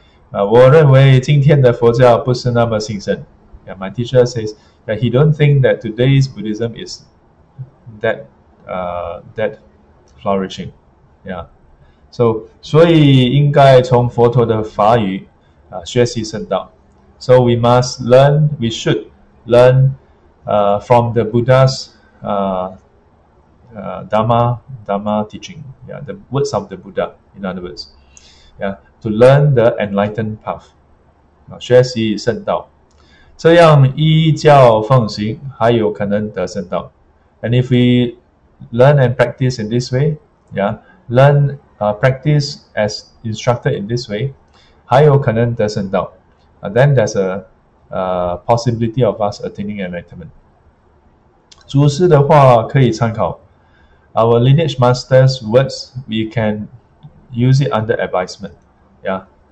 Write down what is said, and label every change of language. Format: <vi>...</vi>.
<zh>我认为今天的佛教不是那么兴盛.</zh> <en>Yeah, my teacher says that he don't think that today's Buddhism is that flourishing. Yeah. So,</en> <zh>所以应该从佛陀的法语学习圣道.</zh> <en>So we must learn, we should learn from the Buddha's Dharma teaching, yeah, the words of the Buddha, in other words, yeah, to learn the enlightened path.</en> <zh>学习圣道，这样依教奉行，还有可能得圣道.</zh> <en>And if we learn and practice in this way, yeah, learn practice as instructed in this way,</en> <zh>还有可能得圣道.</zh> <en>Then there's a possibility of us attaining enlightenment.</en> <zh>祖师的话可以参考.</zh> <en>Our lineage master's words, we can use it under advisement, yeah.</en>